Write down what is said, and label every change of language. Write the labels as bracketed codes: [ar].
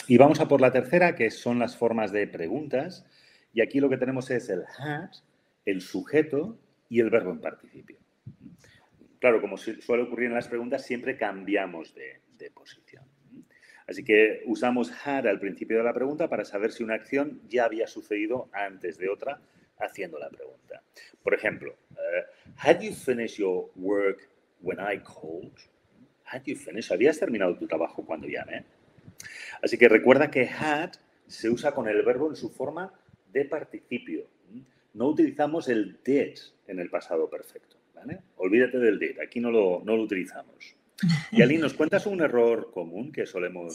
[es] Y vamos a por la tercera, que son las formas de preguntas. Y aquí lo que tenemos es el had, el sujeto y el verbo en participio. Claro, como suele ocurrir en las preguntas, siempre cambiamos de posición. Así que usamos had al principio de la pregunta para saber si una acción ya había sucedido antes de otra, haciendo la pregunta. Por ejemplo, [en] had you finished your work when I called? Had you finished? [es] ¿Habías terminado tu trabajo cuando llamé? Así que recuerda que had se usa con el verbo en su forma de participio. No utilizamos el did en el pasado perfecto, ¿vale? Olvídate del did, aquí no lo utilizamos. Y Aline, ¿nos cuentas un error común que solemos...